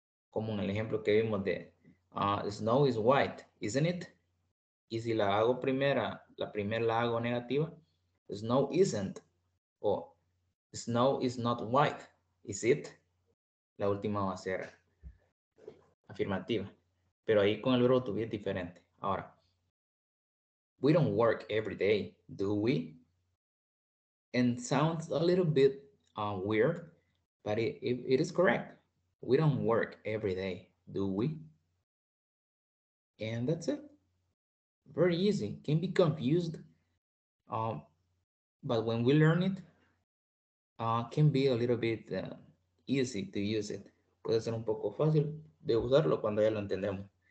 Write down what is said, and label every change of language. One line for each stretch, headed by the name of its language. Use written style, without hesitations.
Spanish: Como en el ejemplo que vimos de
English: snow is white, isn't it?
Spanish: Y si la hago primera, la primera la hago negativa,
English: snow isn't,
Spanish: o
English: snow is not white, is it?
Spanish: La última va a ser afirmativa. Pero ahí con el verbo to be es diferente.
English: Ahora, we don't work every day, do we? And sounds a little bit weird, but it is correct. We don't work every day, do we? And that's it. Very easy. Can be confused, but when we learn it, can be a little bit easy to use it.
Spanish: Puede ser un poco fácil de usarlo cuando ya lo entendemos.